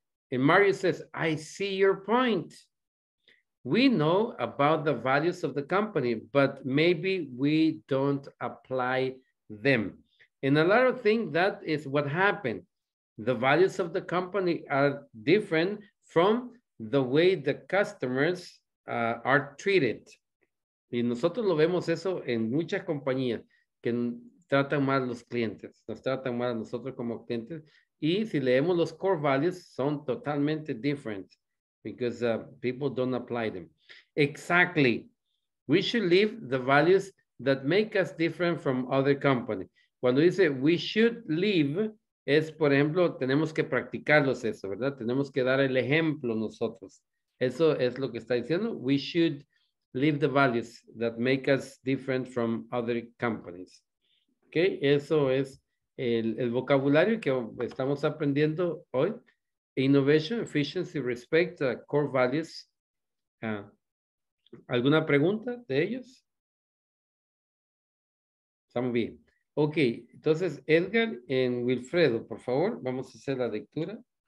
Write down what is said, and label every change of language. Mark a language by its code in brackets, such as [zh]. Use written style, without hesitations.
[en] And Mario says, I see your point. We know about the values of the company, but maybe we don't apply them. And a lot of things, that is what happened. The values of the company are different from the way the customers are treated. [es] Y nosotros lo vemos eso en muchas compañías que tratan mal a los clientes, nos tratan mal a nosotros como clientes. Y si leemos los [en] core values, [es] son totalmente [en] different because people don't apply them. Exactly. We should leave the values that make us different from other companies. [es] Cuando dice, [en] we should leave, [es] es, por ejemplo, tenemos que practicarlos eso, ¿verdad? Tenemos que dar el ejemplo nosotros. Eso es lo que está diciendo. [en] We should leave the values that make us different from other companies. ¿Ok? [es] Eso es el vocabulario que estamos aprendiendo hoy. [en] Innovation, efficiency, respect, core values. [es] ¿Alguna pregunta de ellos? Estamos bien. Ok, entonces Edgar y Wilfredo, por favor, vamos a hacer la lectura.